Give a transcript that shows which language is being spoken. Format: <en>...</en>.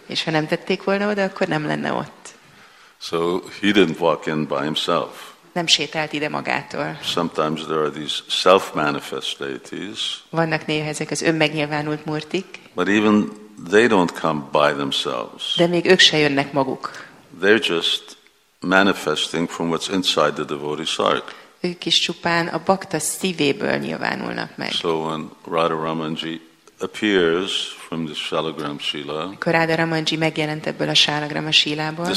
<hu>És ha nem tették volna oda, akkor nem lenne ott.</hu> <en>So he didn't walk in by himself.</en> <hu>Nem sétált ide magától.</hu> <en>Sometimes there are these self-manifest deities.</en> <hu>Vannak néha ezek az önmegnyilvánult murtik.</hu> <en>But even they don't come by themselves.</en> <hu>De még ők se jönnek maguk.</hu> <en>They're just manifesting from what's inside the devotee's heart.</en> <hu>Ők is csupán a bakta szívéből nyilvánulnak meg.</hu> <en>So when Radha Ramanji appears from the Shalagram Shila.</en> <hu>Amikor Radha Ramanji megjelent ebből a Shalagrama Shilából.</hu>